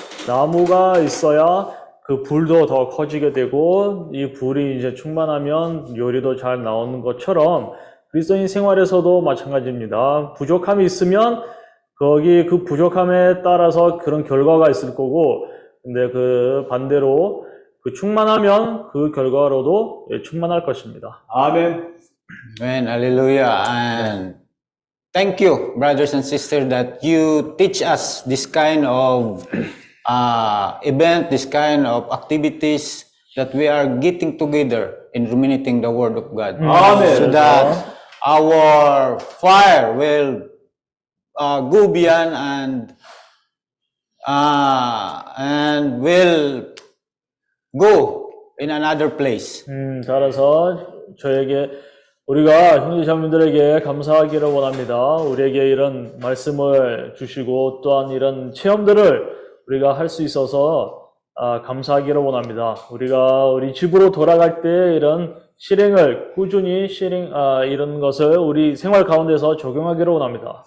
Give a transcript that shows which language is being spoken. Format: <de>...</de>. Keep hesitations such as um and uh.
<ko>나무가 있어야 그 불도 더 커지게 되고 이 불이 이제 충만하면 요리도 잘 나오는 것처럼 그리스도인 생활에서도 마찬가지입니다. 부족함이 있으면 거기 그 부족함에 따라서 그런 결과가 있을 거고, 근데 그 반대로 그 충만하면 그 결과로도 충만할 것입니다. 아멘. 아멘. 할렐루야.</ko> <en>And thank you, brothers and sisters, that you teach us this kind of uh, event, this kind of activities that we are getting together in ruminating the word of God.</en> <ko>아멘.</ko> <en>So that</en> <ko>그렇죠.</ko> <en>our fire will uh, go beyond and uh, and will go in another place. 음,</en> <ko>따라서 저에게 우리가 형제자매들에게 감사하기를 원합니다. 우리에게 이런 말씀을 주시고 또한 이런 체험들을 우리가 할 수 있어서 아, 감사하기를 원합니다. 우리가 우리 집으로 돌아갈 때 이런 실행을 꾸준히 실행 어, 아, 이런 것을 우리 생활 가운데서 적용하기로 원합니다.</ko>